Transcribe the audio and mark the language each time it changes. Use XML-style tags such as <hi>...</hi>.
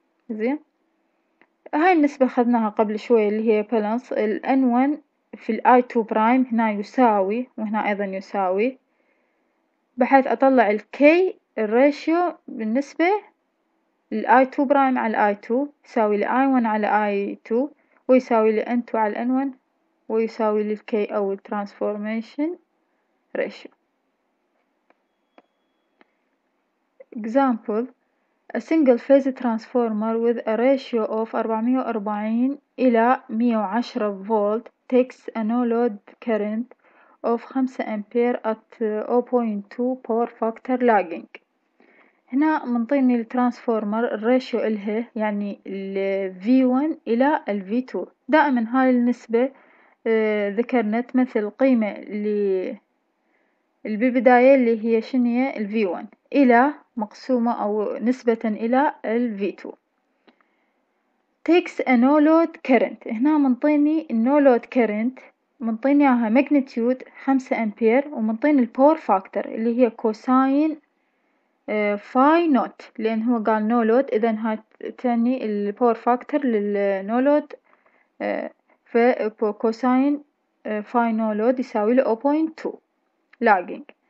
<ar>زين هاي النسبة اخذناها قبل شوية اللي هي بالانس الان 1 في الاي 2 برايم، هنا يساوي وهنا ايضا يساوي، بحيث اطلع الكي الراتيو بالنسبة لـ I2 برايم على I2 يساوي لـ I1 على I2 ويساوي لـ N2 على N1 ويساوي لـ K أو الترانسفورميشن ريشيو.</ar> <en>Example: A single phase transformer with a ratio of 440</en> <ar>إلى</ar> <en>110 volt takes a no load current of 5 ampere at 0.2 power factor lagging.</en> <ar>هنا منطيني الترانسفورمر الراتيو إلها يعني الـ V1 إلى الـ V2، دائما هاي النسبة ذكرنا تمثل القيمة اللي بالبداية اللي هي شنية الـ V1 إلى مقسومة أو نسبة إلى الـ V2.</ar> <en>takes a no load current،</en> <ar>هنا منطيني الـ</ar> <en>no load current</en> <ar>منطين اياها ماجنتيود 5 امبير، ومنطين الباور فاكتور اللي هي كوساين فاي نوت، لان هو قال نو لود. اذا هاي تاني الباور فاكتور للنو لود في كوساين فاي نو لود يساوي له 0.2 لاجينج.</ar>